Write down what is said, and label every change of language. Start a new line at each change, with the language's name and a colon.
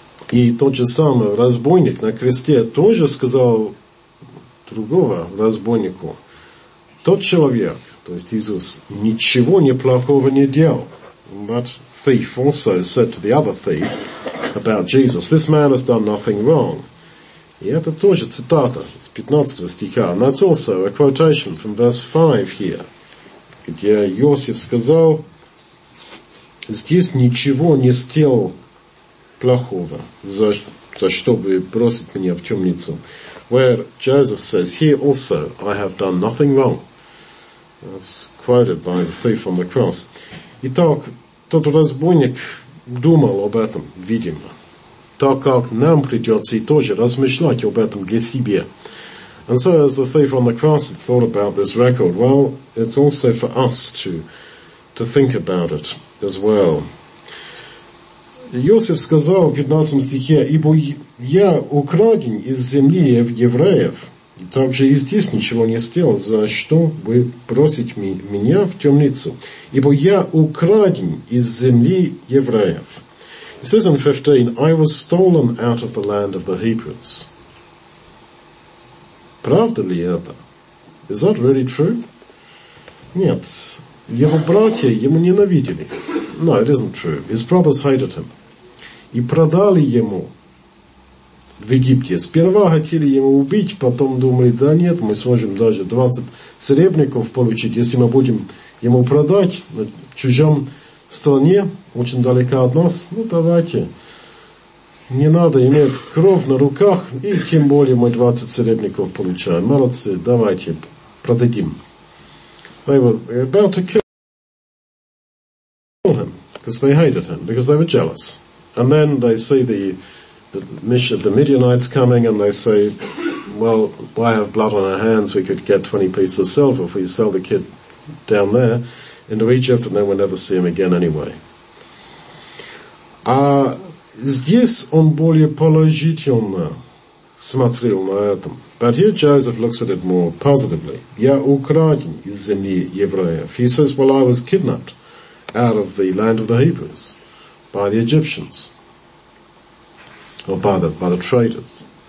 Russian: И тот же самый разбойник на кресте тоже сказал другого разбойнику, «Тот человек, то есть Иисус, ничего неплохого не делал».
English: That thief also said to the other thief about Jesus, this man has done nothing wrong.
Russian: И это тоже цитата из 15 стиха.
English: And that's also a quotation from verse 5 here,
Russian: где Иосиф сказал, здесь ничего не сделал плохого, за чтобы бросить меня в темницу.
English: Where Joseph says, here also I have done nothing wrong. That's quoted by the thief on the cross.
Russian: Итак, тот разбойник думал об этом, видимо, так как нам придется и тоже размышлять об этом для себя.
English: And so as the thief on the cross thought about this record, well, it's also for us to think about it as well.
Russian: Иосиф сказал в 15 стихе, «Ибо я украден из земли евреев». Также и здесь ничего не сделал, за что вы бросите меня в темницу. Ибо я украден из земли евреев.
English: It says in 15, I was stolen out of the land of the Hebrews.
Russian: Правда ли это?
English: Is that really true?
Russian: Нет. Его братья ему ненавидели.
English: No, it isn't true. His brothers hated him.
Russian: И продали ему в Египте. Сперва хотели его убить, потом думали, да нет, мы сможем даже 20 серебряников получить, если мы будем ему продать на чужом стране, очень далеко от нас. Ну, давайте. Не надо иметь кровь на руках, и тем более мы 20 серебряников получаем. Молодцы, давайте, продадим.
English: They were about to kill him, because they hated him, because they were jealous. And then they see the Midianites coming, and they say, well, why have blood on our hands? We could get 20 pieces of silver if we sell the kid down there into Egypt, and then we'll never see him again anyway.
Russian: Здесь он более положительно смотрел на этом.
English: But here Joseph looks at it more positively.
Russian: Я украден из земли евреев.
English: He says, well, I was kidnapped out of the land of the Hebrews by the Egyptians, or by the traders.